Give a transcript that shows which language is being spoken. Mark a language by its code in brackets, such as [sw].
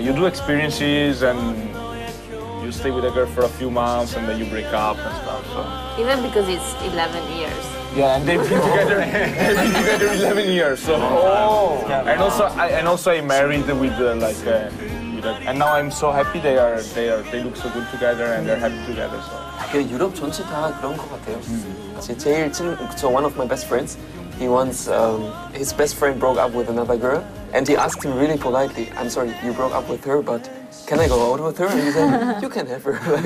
[en] You do experiences and you stay with a girl for a few months and then you break up and stuff. So. Even because it's 11 years. Yeah, and they've been together 11 years. So. Oh. And also I married and now I'm so happy they look so good together and they're happy together. So. [ko] 그 유럽 전체 다 그런 것 같아요. 제일 친구, [en] one of my best friends, he once, his best friend broke up with another girl, and he asked him really politely, I'm sorry, you broke up with her, but can I go out with her? And he said, you can have her.